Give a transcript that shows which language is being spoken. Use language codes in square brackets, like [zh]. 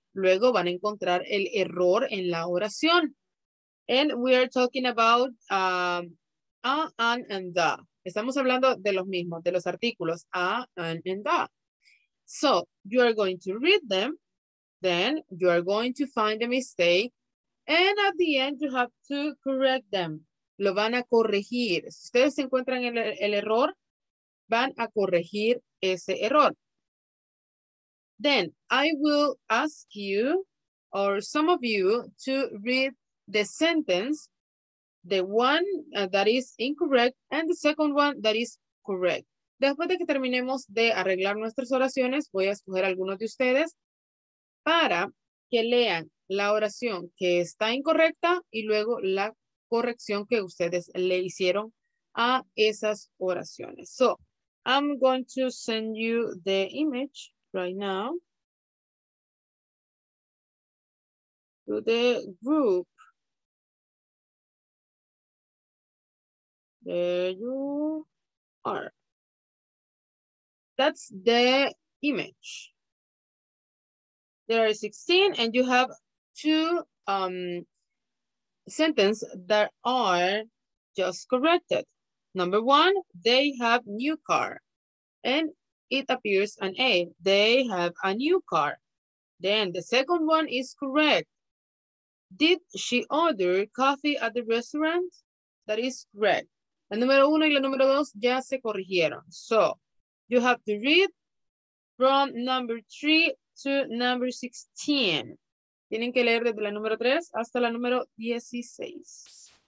[es] Luego van a encontrar el error en la oración. [en] And we are talking about a, an, and the. [es] Estamos hablando de los mismos, de los artículos a, an, and the. [en] So you are going to read them. Then you are going to find the mistake. And at the end you have to correct them. [es] Lo van a corregir. Si ustedes encuentran el error, van a corregir ese error. [en] Then I will ask you or some of you to read the sentence, the one that is incorrect and the second one that is correct. [es] Después de que terminemos de arreglar nuestras oraciones, voy a escoger algunos de ustedes para que lean la oración que está incorrecta y luego la corrección que ustedes le hicieron a esas oraciones. [en] So I'm going to send you the image right now to the group. There you are. That's the image. There are 16 and you have two sentences that are just corrected. Number one, they have new car and it appears an A. They have a new car. Then the second one is correct. Did she order coffee at the restaurant? That is correct. [es] La número uno y la número dos ya se corrigieron. [en] So you have to read from number three to number 16. [es] Tienen que leer desde la número tres hasta la número 16.